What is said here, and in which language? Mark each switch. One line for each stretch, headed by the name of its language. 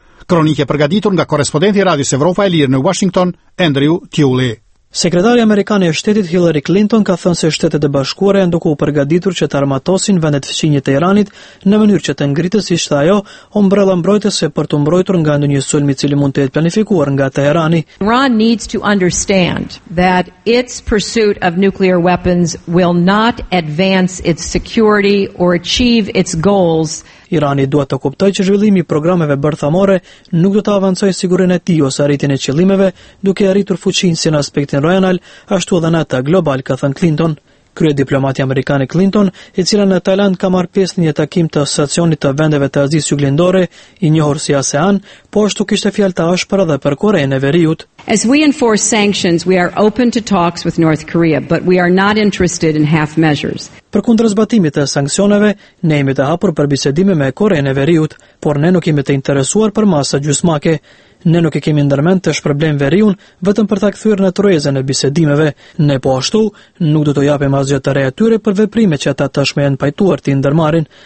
Albanian: Kronike përgatitur nga korespondenti Radios Evropa e Lirë në Washington, Andrew Tiuli. Sekretari Amerikan e shtetit Hillary Clinton ka thënë se shtetet e bashkuara janë duke u përgatitur që të armatosin vendet fqinje të Iranit në mënyrë që të ngritë, si shtë ajo, umbrella mbrojtëse për të mbrojtur nga ndonjë sulm i cili mund të jetë planifikuar nga Teherani.
English: Iran needs to understand that its pursuit of nuclear weapons will not advance its security or achieve its goals.
Albanian: Irani duhet të kuptojë që zhvillimi i programeve bërthamore nuk do të avancojë sigurinë e tij ose arritjen e qëllimeve, duke arritur fuqinë si në aspektin rajonal, ashtu edhe në atë global, ka thënë Clinton. Krye diplomati amerikan Clinton, i cila në Tajland ka marrë pjesë në një takim të asociacionit të vendeve të Azisë Jugendore, i njohur si ASEAN, po ashtu kishte fjalë të ashpra edhe për Korenë e Veriut.
English: As we enforce sanctions, we are open to talks with North Korea, but we are not interested in half measures.
Albanian: Për kundër zbatimit të sankcioneve, ne jemi të hapur për bisedime me Korenë e Veriut, por ne nuk jemi të interesuar për masa gjysmake. Ne nuk e kemi ndërmend të shpërblem veriun vetëm për ta kthyer në tryezën e bisedimeve, ne po ashtu nuk do të japim asgjë të re atyre për veprimet që ata tashmë janë pajtuar të ndërmarrin.